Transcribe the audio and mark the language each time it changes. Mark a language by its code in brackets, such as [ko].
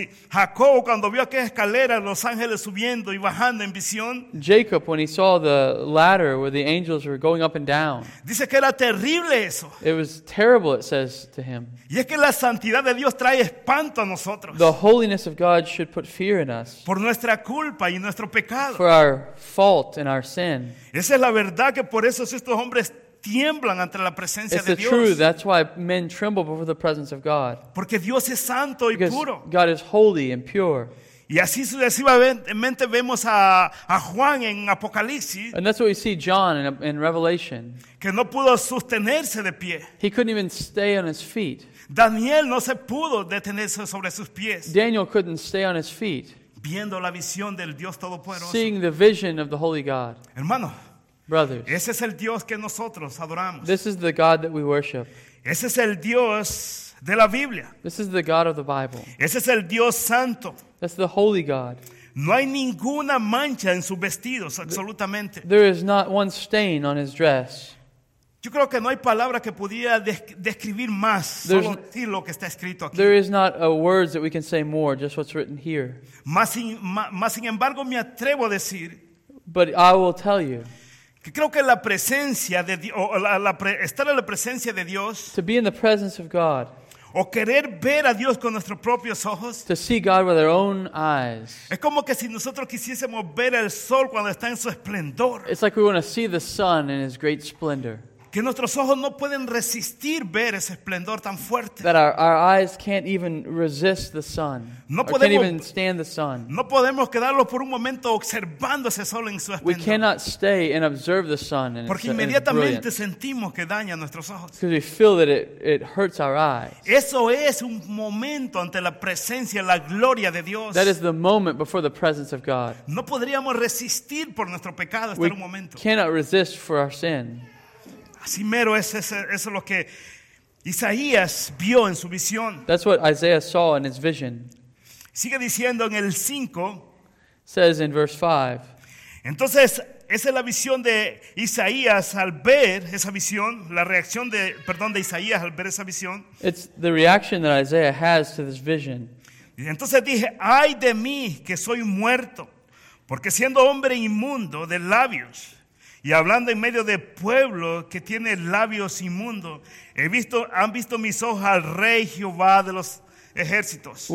[es] Jacob, cuando vio aquella escalera, los ángeles subiendo y bajando en visión. [en] Jacob, when he saw the ladder where the angels were going up and down. [es] Dice que era terrible eso. [en] It was terrible, it says to him. [es] Y es que la santidad de Dios trae espanto a nosotros. [en] The holiness of God should put fear in us. [es] Por nuestra culpa y nuestro pecado. [en] For our fault and our sin. [es] Esa es la verdad que por eso si estos hombres tiemblan ante la presencia [en] it's the [es] de Dios. [en] Truth. That's why men tremble before the presence of God. [es] Porque Dios es santo y [en] because [es] puro. [en] God is holy and pure. [es] Y así sucesivamente vemos a Juan en Apocalipsis. [en] And that's what we see John in Revelation. [es] Que no pudo sostenerse de pie. [en] He couldn't even stay on his feet. [es] Daniel no se pudo detenerse sobre sus pies. [en] Daniel couldn't stay on his feet. [es] Viendo la visión del Dios Todopoderoso. [en] Seeing the vision of the Holy God. [es] Hermano. [en] Brothers. [es] Ese es el Dios que nosotros adoramos. [en] This is the God that we worship. [es] Ese es el Dios de la Biblia. [en] This is the God of the Bible. [es] Ese es el Dios Santo. [en] That's the Holy God. [es] No hay ninguna mancha en sus vestidos, absolutamente. [en] There is not one stain on his dress. [es] Yo creo que no hay palabra que pudiera describir más, solo decir lo que está escrito aquí. [en] There is not a word that we can say more, just what's written here. [es] Más sin embargo, me atrevo a decir. [en] But I will tell you. [es] Que creo que la presencia de Dios, estar en la presencia de Dios. [en] To be in the presence of God. [es] O querer ver a Dios con nuestros propios ojos. [en] To see God with our own eyes. [es] Es como que si nosotros quisiésemos ver el sol cuando está en su esplendor. [en] It's like we want to see the sun in his great splendor. [es] Que nuestros ojos no pueden resistir ver ese esplendor tan fuerte. [en] That our eyes can't even resist the sun. [es] No podemos, [en] can't even stand the sun. [es] No podemos quedarlo por un momento observando ese sol en su esplendor. [en] We cannot stay and observe the sun in [es] Porque inmediatamente sentimos que daña nuestros ojos. [en] Because we feel that it hurts our eyes. [es] Eso es un momento ante la presencia, la gloria de Dios. [en] That is the moment before the presence of God. [es] No podríamos resistir por nuestro pecado hasta [en] we [es] un momento. [en] We cannot resist for our sin. [es] Así mero es eso lo que Isaías vio en su visión. [en] That's what Isaiah saw in his vision. [es] Sigue diciendo en el 5. [en] Says in verse 5. [es] Entonces, esa es la visión de Isaías al ver esa visión, la reacción de Isaías al ver esa visión. [en] It's the reaction that Isaiah has to this vision. [es] Y entonces dije, ay de mí que soy muerto, porque siendo hombre inmundo de labios, y hablando en medio de pueblo que tiene labios inmundos, han visto mis ojos al Rey Jehová de los ejércitos.